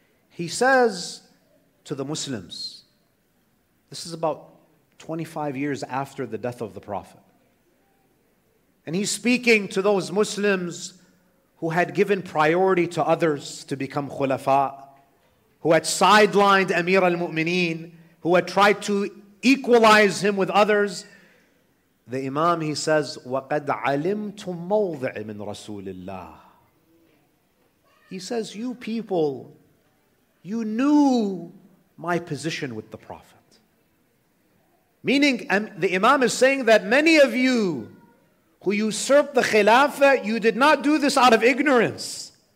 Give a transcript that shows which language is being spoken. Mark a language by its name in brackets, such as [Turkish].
[English] He says to the Muslims, this is about 25 years after the death of the Prophet. And he's speaking to those Muslims who had given priority to others to become Khulafa, who had sidelined Amir al-Mu'mineen, who had tried to equalize him with others. The Imam, he says, [Arabic] وَقَدْ عَلِمْتُمْ مَوْضِعِ مِنْ رَسُولِ اللَّهِ. [English] He says, you people, you knew my position with the Prophet. Meaning, the Imam is saying that many of you who usurped the Khilafah, you did not do this out of ignorance.